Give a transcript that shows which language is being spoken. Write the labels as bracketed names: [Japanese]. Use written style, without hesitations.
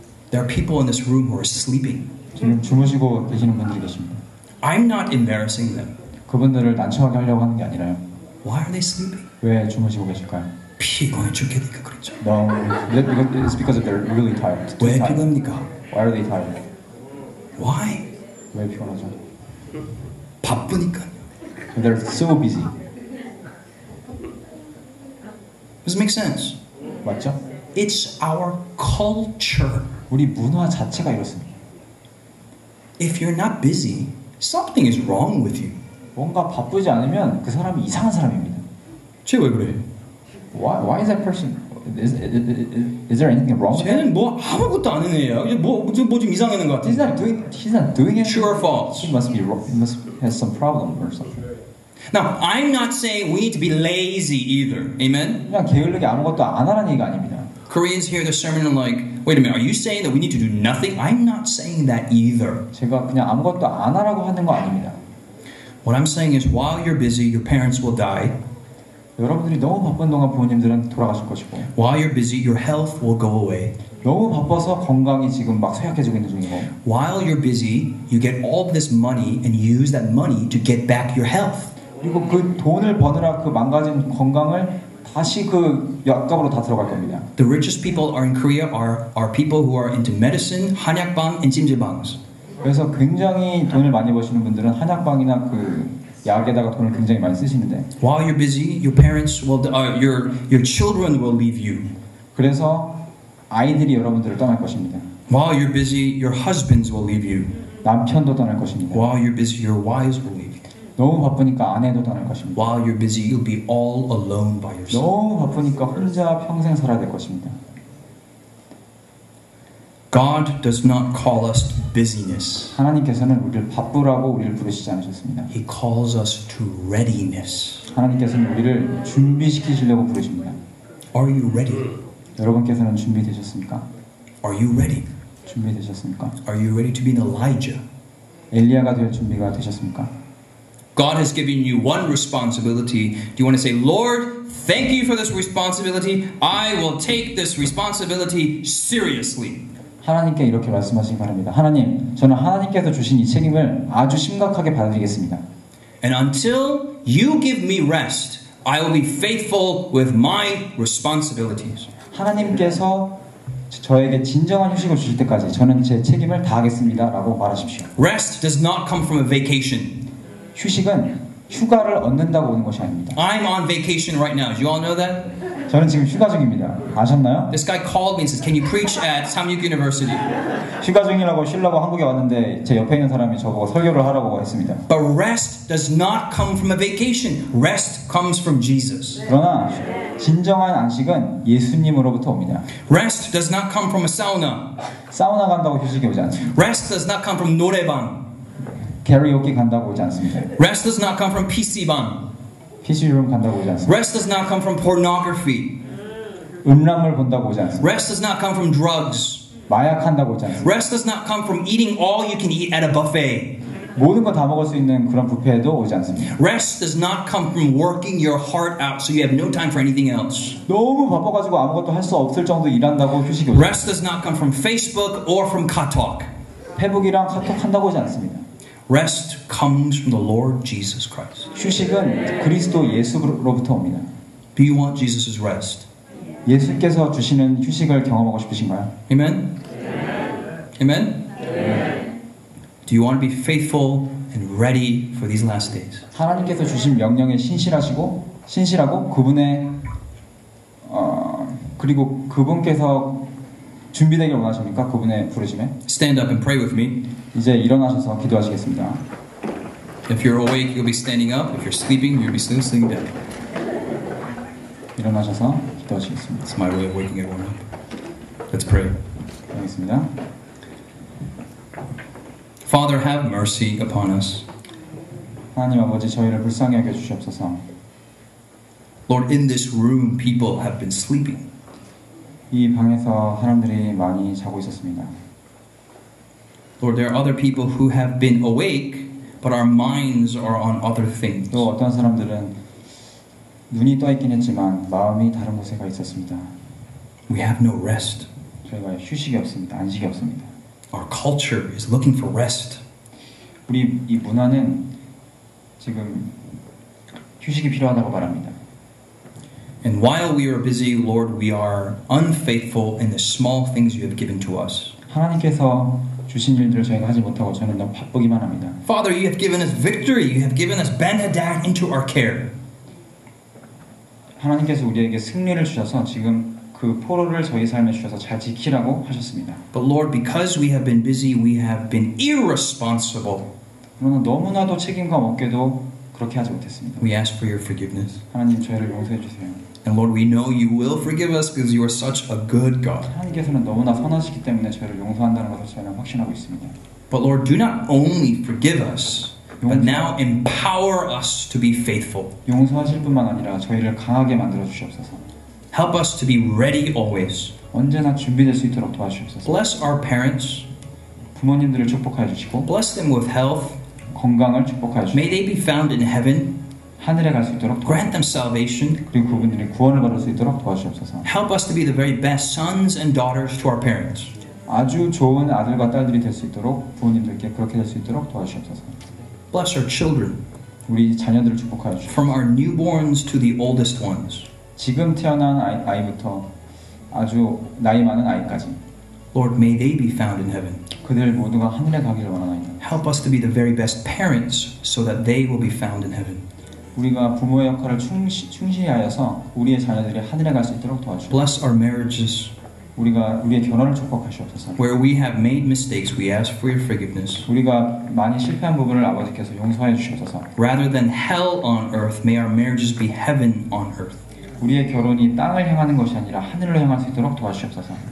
[English] There are people in this room who are sleeping. [Korean] 지금 주무시고 계시는 분들이 계십니다. [English] I'm not embarrassing them. [Korean] 그분들을 난처하게 하려고 하는 게 아니라요. [English] Why are they sleeping? [Korean] 왜 주무시고 계실까요? 피곤해 죽겠으니까 그렇죠. [English] No, it's because they're really tired. [Korean] 왜 피곤합니까? [English] Why are they tired? Why? [Korean] 왜 피곤하죠? 바쁘니까. [English] They're so busy. Does it make sense? [Korean] 맞죠? [English] It's our culture. [Korean] 우리 문화 자체가 이렇습니다. [English] If you're not busy, something is wrong with you. [Korean] 뭔가 바쁘지 않으면 그 사람이 이상한 사람입니다. 쟤 왜 그래? [English] Why is that person? Is there anything wrong with him? [Korean] 쟤는 뭐 아무것도 안 하는 애야. 뭐 좀 이상하는 것 같아. [English] He's not doing it. True or false? He must be wrong. He must have some problem or something. Now, I'm not saying we need to be lazy either. Amen? [Korean] 그냥 게을르게 아무것도 안 하라는 얘기가 아닙니다. [English] Koreans hear the sermon and like, wait a minute, are you saying that we need to do nothing? I'm not saying that either. [Korean] 제가 그냥 아무것도 안 하라고 하는 거 아닙니다. [English] What I'm saying is while you're busy, your parents will die. [Korean] 여러분들이 너무 바쁜 동안 부모님들은 돌아가실 것이고. [English] While you're busy, your health will go away. [Korean] 너무 바빠서 건강이 지금 막 쇠약해지고 있는 중이고. [English] While you're busy, you get all this money and use that money to get back your health. [Korean] 그리고 그 돈을 버느라 그 망가진 건강을 다시 그 약값으로 다 들어갈 겁니다. [English] The richest people are in Korea are people who are into medicine, 한약방, and 찜질방. [Korean] 그래서 굉장히 돈을 많이 버시는 분들은 한약방이나 그 약에다가 돈을 굉장히 많이 쓰시는데. [English] While you're busy, your parents will, your children will leave you. [Korean] 그래서 아이들이 여러분들을 떠날 것입니다. [English] While you're busy, your husbands will leave you. [Korean] 남편도 떠날 것입니다. [English] While you're busy, your wives will leave you. [Korean] 너무 바쁘니까 안 해도 되는 것입니다. [English] While you're busy, you'll be all alone by yourself. [Korean] 너무 바쁘니까 혼자 평생 살아야 될 것입니다. [English] God does not call us busyness. [Korean] 하나님께서는 우리를 바쁘라고 우리를 부르시지 않으셨습니다. [English] He calls us to readiness. [Korean] 하나님께서는 우리를 준비시키시려고 부르십니다. [English] Are you ready? [Korean] 여러분께서는 준비되셨습니까? [English] Are you ready? [Korean] 준비되셨습니까? [English] Are you ready to be an Elijah? [Korean] 엘리야가 될 준비가 되셨습니까? [English] God has given you one responsibility. Do you want to say, Lord, thank you for this responsibility. I will take this responsibility seriously. [Korean] 하나님께 이렇게 말씀하시기 바랍니다. 하나님, 저는 하나님께서 주신 이 책임을 아주 심각하게 받아들이겠습니다. [English] And until you give me rest, I will be faithful with my responsibilities. [Korean] 하나님께서 저에게 진정한 휴식을 주실 때까지 저는 제 책임을 다하겠습니다라고 말하십시오. [English] Rest does not come from a vacation. [Korean] 휴식은 휴가를 얻는다고 오는 것이 아닙니다. [English] I'm on vacation right now. Do you all know that? [Korean] 저는 지금 휴가 중입니다. 아셨나요? [English] This guy called me and says, "Can you preach at Samyuk University?" [Korean] 휴가 중이라고 쉬려고 한국에 왔는데 제 옆에 있는 사람이 저보고 설교를 하라고 했습니다. [English] But rest does not come from a vacation. Rest comes from Jesus. [Korean] 그러나 진정한 안식은 예수님으로부터 옵니다. [English] Rest does not come from a sauna. [Korean] 사우나 간다고 휴식이 오지 않습니다. [English] Rest does not come from 노래방. [Korean] 캐리오케 간다고 오지 않습니다. [English] Rest does not come from PC방. [Korean] PC룸 간다고 오지 않습니다. [English] Rest does not come from pornography. [Korean] 음란물 본다고 오지 않습니다. [English] Rest does not come from drugs. [Korean] 마약한다고 오지 않습니다. [English] Rest does not come from eating all you can eat at a buffet. [Korean] 모든 거 다 먹을 수 있는 그런 뷔페에도 오지 않습니다. [English] Rest does not come from working your heart out so you have no time for anything else. [Korean] 너무 바빠가지고 아무것도 할 수 없을 정도 일한다고 휴식이 오지 않습니다. [English] Rest does not come from Facebook or from Kakao. [Korean] 페북이랑 카톡 한다고 오지 않습니다. [English] Rest comes from the Lord Jesus Christ. [Korean] 휴식은 그리스도 예수로부터 옵니다. [English] Do you want Jesus' rest? [Korean] 예수께서 주시는 휴식을 경험하고 싶으신가요? [English] Amen? Amen? Amen? Do you want to be faithful and ready for these last days? [Korean] 하나님께서 주신 명령에 신실하시고 신실하고 그분의 그리고 그분께서 준비되길 원하십니까? 그분의 부르심에? [English] Stand up and pray with me. [Korean] 이제 일어나셔서 기도하시겠습니다. [English] If you're awake, you'll be standing up. If you're sleeping, you'll be still sitting down. [Korean] 일어나셔서 기도하시겠습니다. [English] It's my way of waking everyone up. Let's pray. [Korean] 알겠습니다. [English] Father, have mercy upon us. [Korean] 하나님 아버지, 저희를 불쌍히 여겨 주시옵소서. [English] Lord, in this room, people have been sleeping. [Korean] 이 방에서 사람들이 많이 자고 있었습니다. [English] Lord, there are other people who have been awake, but our minds are on other things. [Korean] 또 어떤 사람들은 눈이 떠 있긴 했지만 마음이 다른 곳에 가 있었습니다. [English] We have no rest. [Korean] 저희가 휴식이 없습니다. 안식이 없습니다. [English] Our culture is looking for rest. [Korean] 우리 이 문화는 지금 휴식이 필요하다고 말합니다. [English] And while we are busy, Lord, we are unfaithful in the small things you have given to us. [Korean] 하나님께서 주신 일들을 저희가 하지 못하고 저는 너무 바쁘기만 합니다. [English] Father, you have given us victory. You have given us Ben-Hadad into our care. [Korean] 하나님께서 우리에게 승리를 주셔서 지금 그 포로를 저희 삶에 주셔서 잘 지키라고 하셨습니다. [English] But Lord, because we have been busy, we have been irresponsible. [Korean] 그러나 너무나도 책임감 없게도 그렇게 하지 못했습니다. [English] We ask for your forgiveness. [Korean] 하나님 저희를 용서해 주세요. [English] And Lord, we know you will forgive us because you are such a good God. [Korean] 하나님께서는 너무나 선하시기 때문에 저희를 용서한다는 것을 저희는 확신하고 있습니다. [English] But Lord, do not only forgive us, but now empower us to be faithful. [Korean] 용서하실 뿐만 아니라 저희를 강하게 만들어 주시옵소서. [English] Help us to be ready always. [Korean] 언제나 준비될 수 있도록 도와주시옵소서. [English] Bless our parents. [Korean] 부모님들을 축복하여 주시고. [English] Bless them with health. [Korean] 건강을 축복하여 주시고. [English] May they be found in heaven. [Korean] 하늘에 갈 수 있도록 [English] grant them salvation. [Korean] 그리고 그분들이 구원을 받을 수 있도록 도와주옵소서. [English] Help us to be the very best sons and daughters to our parents. [Korean] 아주 좋은 아들과 딸들이 될 수 있도록 부모님들께 그렇게 될 수 있도록 도와주옵소서. [English] Bless our children. [Korean] 우리 자녀들을 축복하여 주시옵소서. [English] From our newborns to the oldest ones. [Korean] 지금 태어난 아이부터 아주 나이 많은 아이까지. [English] Lord, may they be found in heaven. [Korean] 그들 모두가 하늘에 가기를 원합니다. [English] Help us to be the very best parents so that they will be found in heaven. [Korean] 우리가 부모의 역할을 충실히 하여서 우리의 자녀들이 하늘에 갈 수 있도록 도와주시옵소서. [English] Bless our marriages. [Korean] 우리가 우리의 변화를 축복하시옵소서. [English] Where we have made mistakes, we ask for your forgiveness. [Korean] 우리가 많이 실패한 부분을 아버지께서 용서해 주시옵소서. [English] Rather than hell on earth, may our marriages be heaven on earth. [Korean] 우리의 결혼이 땅을 향하는 것이 아니라 하늘로 향할 수 있도록 도와주시옵소서.